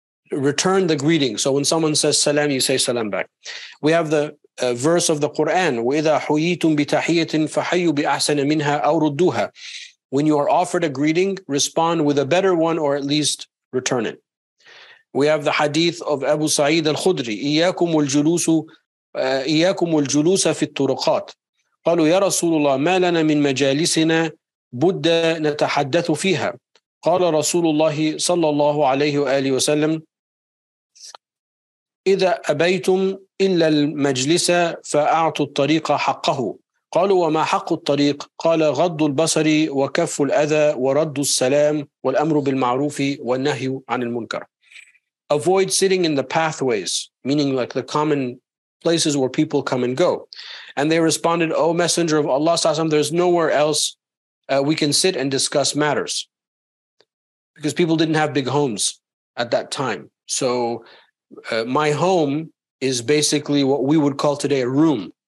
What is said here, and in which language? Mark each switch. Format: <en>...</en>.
<en>Return the greeting. So when someone says salam, you say salam back. We have the verse of the Quran,</en> <ar>وَإِذَا حُيِّيتُم بِتَحِيَّةٍ فَحَيُّوا بِأَحْسَنَ مِنْهَا أَوْ رُدُّوهَا.</ar> <en>When you are offered a greeting, respond with a better one, or at least return it. We have the hadith of Abu Sa'id al-Khudri,</en> <ar>إِيَّاكُمُ الْجُلُوسَ فِي الطُّرُقَاتِ. قَالُوا يَا رَسُولُ اللَّهِ مَا لَنَا مِنْ مَجَالِسِنَا بُدَّ نَتَحَدَّثُ فِيهَا. قال رسول الله صلى الله عليه وآله وسلم إذا أبيتم إلا المجلس فأعطوا الطريق حقه. قالوا وما حق الطريق؟ قال غض البصر وكف الأذى ورد السلام والأمر بالمعروف والنهي عن المنكر.</ar> <en>Avoid sitting in the pathways, meaning like the common places where people come and go. And they responded, O Messenger of Allah, there's nowhere else we can sit and discuss matters. Because people didn't have big homes at that time. So my home is basically what we would call today a room.</en>